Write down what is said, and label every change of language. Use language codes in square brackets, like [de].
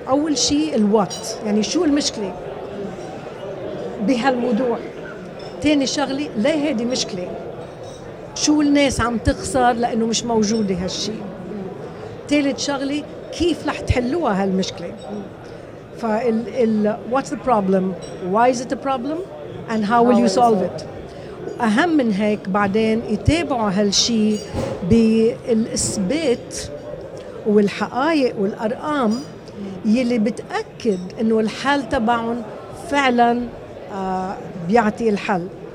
[ar] أول شيء الوقت, يعني شو المشكلة بهالموضوع. تاني شغلة, ليه هذه مشكلة, شو الناس عم تخسر لأنه مش موجودة هالشيء. تالت شغلة, كيف رح تحلوها هالمشكلة. فال [en] what's the problem, why is it a problem and how will you solve it. [ar] أهم من هيك بعدين يتابعوا هالشيء بالإثبات والحقائق والأرقام يلي بتأكد إنه الحل تبعهم فعلاً بيعطي الحل,